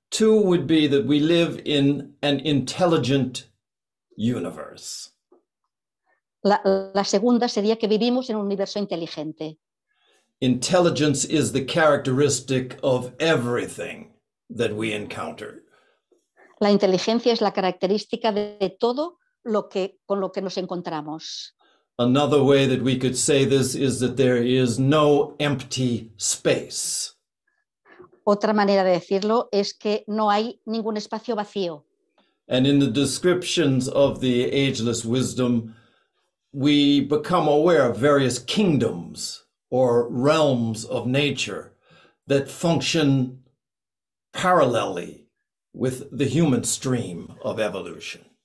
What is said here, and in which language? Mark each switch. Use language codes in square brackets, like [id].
[en] Two would be that we live in an intelligent universe. [es] La segunda sería que vivimos en un universo inteligente. [en] Intelligence is the characteristic of everything that we encounter. [es] La inteligencia es la característica de todo con lo que nos encontramos. [en] Another way that we could say this is that there is no empty space. [es] Otra manera de decirlo es que no hay ningún espacio vacío. [en] And in the descriptions of the ageless wisdom, we become aware of various kingdoms or realms of nature that function parallelly with the human stream of evolution.